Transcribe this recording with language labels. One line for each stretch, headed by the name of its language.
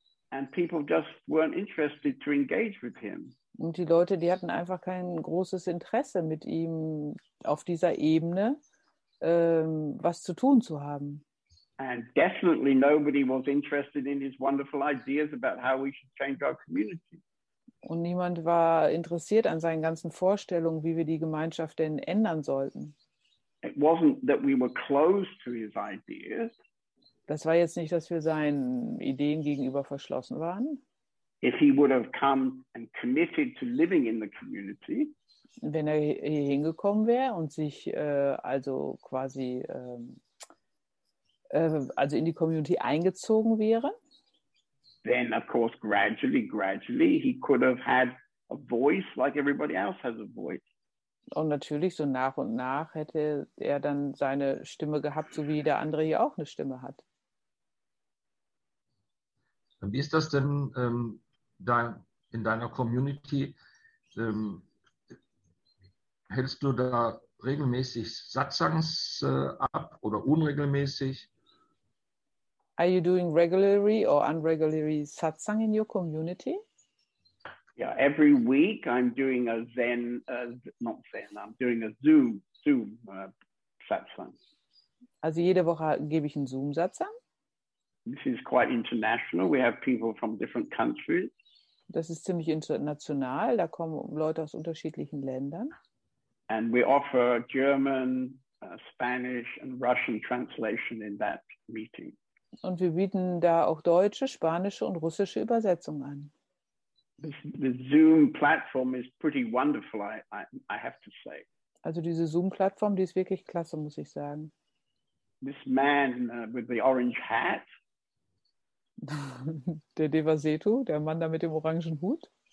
English: And people just weren't interested to engage with him.
German: Und die Leute, die hatten einfach kein großes Interesse mit ihm auf dieser Ebene, was zu tun zu haben.
English: And definitely nobody was interested in his wonderful ideas about how we should change our community.
German: Und niemand war interessiert an seinen ganzen Vorstellungen, wie wir die Gemeinschaft denn ändern sollten.
English: It wasn't that we were closed to his ideas.
German: Das war jetzt nicht, dass wir seinen Ideen gegenüber verschlossen waren.
English: If he would have come and committed to living in the community.
German: Wenn er hier hingekommen wäre und sich also quasi also in die Community eingezogen wäre.
English: Then of course gradually he could have had a voice like everybody else has a voice.
German: Und natürlich so nach und nach hätte er dann seine Stimme gehabt, so wie der andere hier auch eine Stimme hat. Wie ist das denn in deiner Community? Hältst du da regelmäßig Satsangs ab oder unregelmäßig?
English: Are you doing regularly or unregularly satsang in your community? Yeah, every week I'm doing a Zoom satsang.
German: Also jede Woche gebe ich einen Zoom Satsang.
English: This is quite international. We have people from different countries.
German: Das ist ziemlich international. Da kommen Leute aus unterschiedlichen Ländern.
English: And we offer German, Spanish and Russian translation in that meeting.
German: Und wir bieten da auch deutsche, spanische und russische Übersetzungen an.
English: The Zoom-Plattform is pretty wonderful, I have to say.
German: Also diese Zoom-Plattform, die ist wirklich klasse, muss ich sagen.
English: This man with the orange hat.
German: Der Devasetu, der Mann da mit dem orangen Hut.